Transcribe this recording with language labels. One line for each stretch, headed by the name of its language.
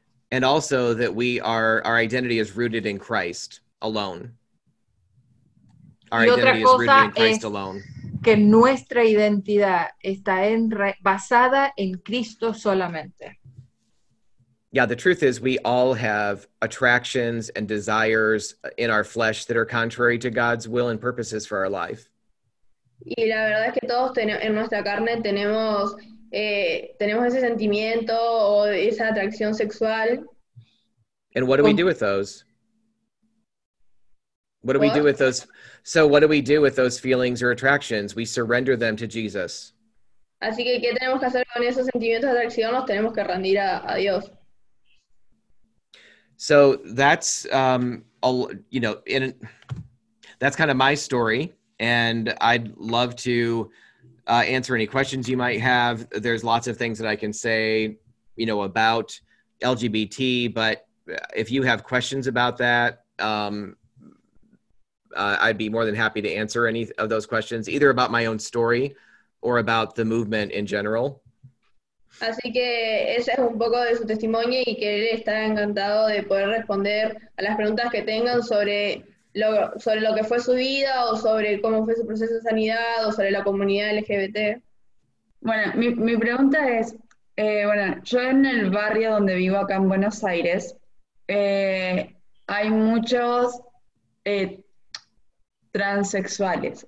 English: And also that our identity is rooted in Christ alone. Our identity is rooted in Christ alone.
Spanish: Que nuestra identidad está basada en Cristo solamente.
English: Yeah, the truth is we all have attractions and desires in our flesh that are contrary to God's will and purposes for our life.
Spanish: Y la verdad es que todos en nuestra carne tenemos ese sentimiento o esa atracción sexual.
English: And what do we do with those? What do we do with those? So what do we do with those feelings or attractions? We surrender them to Jesus.
Spanish: Así que, ¿qué tenemos que hacer con esos sentimientos de atracción? Los tenemos que rendir a Dios.
English: So that's, that's kind of my story, and I'd love to answer any questions you might have. There's lots of things that I can say, you know, about LGBT, but if you have questions about that, I'd be more than happy to answer any of those questions, either about my own story or about the movement in general.
Spanish: Así que ese es un poco de su testimonio y que él está encantado de poder responder a las preguntas que tengan sobre lo que fue su vida o sobre cómo fue su proceso de sanidad o sobre la comunidad LGBT. Bueno, mi pregunta es, yo en el barrio donde vivo acá en Buenos Aires, hay muchos transexuales.